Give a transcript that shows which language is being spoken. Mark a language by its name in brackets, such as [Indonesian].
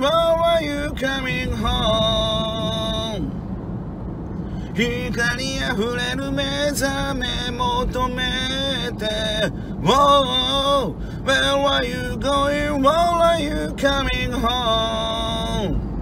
[English] Where are you coming home? [Japanese] 光あふれる目覚め求めて、 [English] Whoa, Where are you going? Where are you coming home?